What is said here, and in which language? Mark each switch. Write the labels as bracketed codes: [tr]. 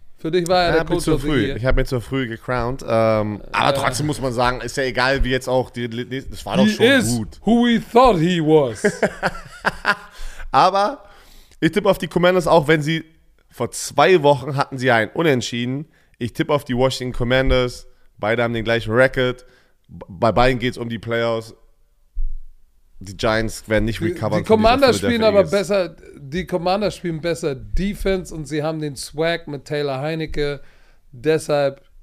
[de] Für dich war er der Coach [en] of the Year. [de] Ich habe mir zu früh gecrowned. Aber trotzdem muss man sagen, ist ja egal, wie jetzt auch. Das war doch schon gut. [en] He is who we thought he was. [de] Aber ich tippe auf die Commanders auch, wenn sie vor 2 Wochen hatten sie ein Unentschieden. Ich tippe auf die Washington Commanders. Beide haben den gleichen Record. Bei beiden geht es um die Playoffs. Die Giants werden nicht recovern. Die Commanders spielen aber besser. Die Commanders spielen besser Defense und sie haben den Swag mit Taylor Heinicke. Deshalb.